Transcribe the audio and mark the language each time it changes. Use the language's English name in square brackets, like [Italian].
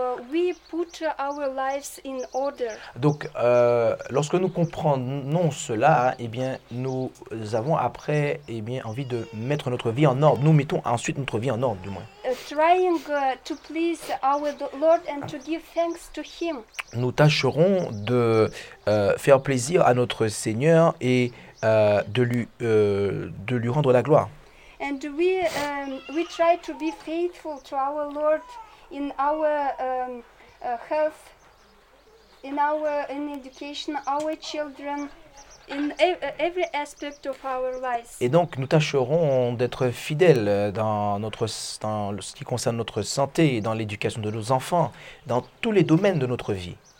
[English] We put our lives in order. [French] Donc, lorsque nous comprenons cela, eh bien, nous avons après, eh bien, envie de mettre notre vie en ordre. Nous mettons ensuite notre vie en ordre, du moins. [English] Trying to please our Lord and to give thanks to Him. [French] Nous tâcherons de faire plaisir à notre Seigneur et de lui rendre la gloire. [English] And we try to be faithful to our Lord in our health, in education, our children, in every aspect of our lives. [French] Et donc nous tâcherons d'être fidèles dans ce qui concerne notre santé, dans l'éducation de nos enfants, dans tous les domaines de notre vie.